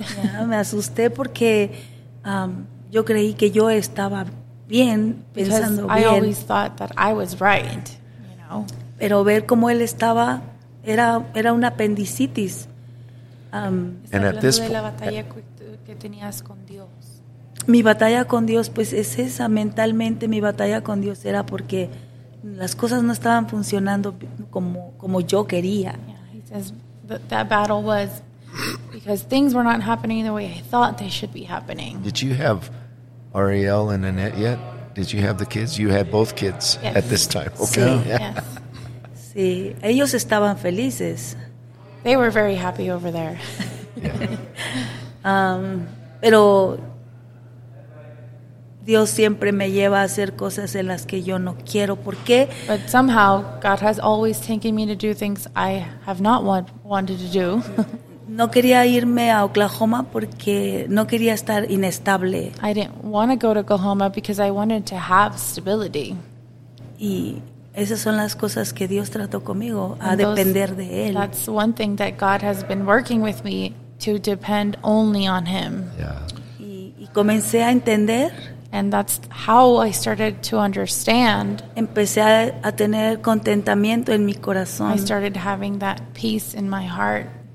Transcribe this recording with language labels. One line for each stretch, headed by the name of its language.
Spanish: Yeah, me asusté porque yo creí que yo estaba bien pensando
English: Because I always thought that I was right, you know.
Spanish: Pero ver cómo él estaba era una apendicitis.
English: And at this point,
Spanish: la batalla que tenías con Dios. Mi batalla con Dios, pues es esa, mentalmente mi batalla con Dios era porque las cosas no estaban funcionando como yo quería.
English: Yeah, he says that battle was because things were not happening the way I thought they should be happening. Did you have Ariel and Annette yet? Did you have the kids? You had both kids, yes, at this time. Okay.
Spanish: Sí,
English: yeah.
Spanish: Sí, ellos estaban felices.
English: They were very happy over there. Yeah.
Spanish: Pero Dios siempre me lleva a hacer cosas en las que yo no quiero. ¿Por qué?
English: But somehow, God has always taken me to do things I have not wanted to do.
Spanish: No quería irme a Oklahoma porque no quería estar inestable.
English: I didn't want to go to Oklahoma because I wanted to have stability.
Spanish: Y esas son las cosas que Dios trató conmigo, a depender de Él.
English: That's one thing that God has been working with me, to depend only on Him. Yeah.
Spanish: Y comencé a entender.
English: And that's how I started to understand.
Spanish: Empecé a tener contentamiento en mi corazón.
English: I started having that peace in my heart.